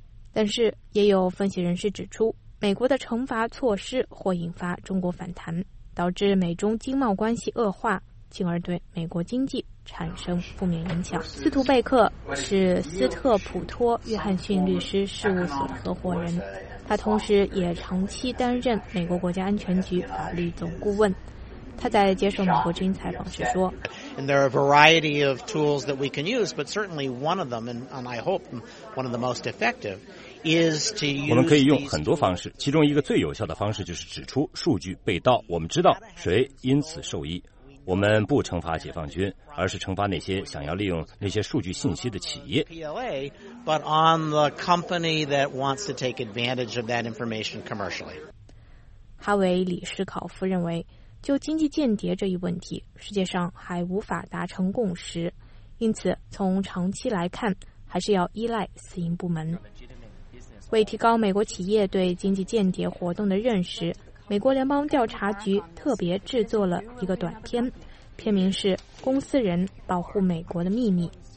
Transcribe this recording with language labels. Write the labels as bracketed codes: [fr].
[zh] 但是也有分析人士指出，美国的惩罚措施或引发中国反弹，导致美中经贸关系恶化，进而对美国经济产生负面影响。司徒贝克是斯特普托约翰逊律师事务所的合伙人，他同时也长期担任美国国家安全局法律总顾问。他在接受美国之音采访时说， [en] And there are a variety of tools that we can use, but certainly one of them, and I hope one of the most effective, is to use. [zh] 我们可以用很多方式，其中一个最有效的方式就是指出数据被盗，我们知道谁因此受益。我们不惩罚解放军，而是惩罚那些想要利用那些数据信息的企业。 [en] But on the company that wants to take advantage of that information commercially. [zh] 哈维·李斯考夫认为，就经济间谍这一问题，世界上还无法达成共识，因此从长期来看，还是要依赖私营部门。为提高美国企业对经济间谍活动的认识，美国联邦调查局特别制作了一个短片，片名是《公司人保护美国的秘密》。